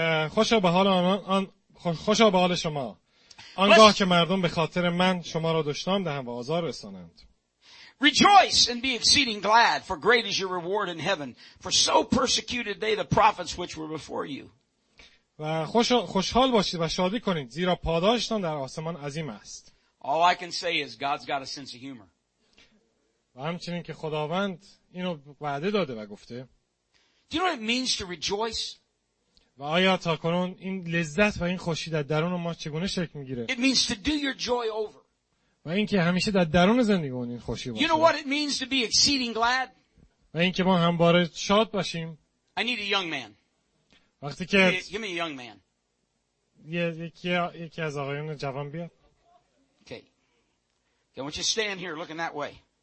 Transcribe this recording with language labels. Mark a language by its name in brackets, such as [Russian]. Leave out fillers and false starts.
[Persian] خوشا به حال آن خوشا به حال شما. آنگاه که مردم به خاطر من شما را دشنام دهند و آزار رسانند. [English] Rejoice and be exceeding glad, for great is your reward in heaven. For so persecuted they the prophets which were before you. [Persian] و خوشحال باشید و شادی کنید زیرا پاداشتان در آسمان عظیم است. [English] All I can say is God's got a sense of humor. [Persian] و همچنین که خداوند اینو وعده داده و گفته. [English] Do you know what it means to rejoice? [Persian] و آیا تا کنون این لذت و این خوشی در درون ما چگونه شکل میگیره؟ [English] It means to do your joy over. [Persian] و اینکه همیشه در درون زندگی اون این خوشی باشه. [English] You know what it means to be exceeding glad? [Persian] و اینکه ما همواره شاد باشیم. [English] I need a young man. [Persian] وقتی که [English] give me a young man. [Persian] یکی از آقایان جوان بیاد. [English] Okay. Okay, I want you to stand here looking that way.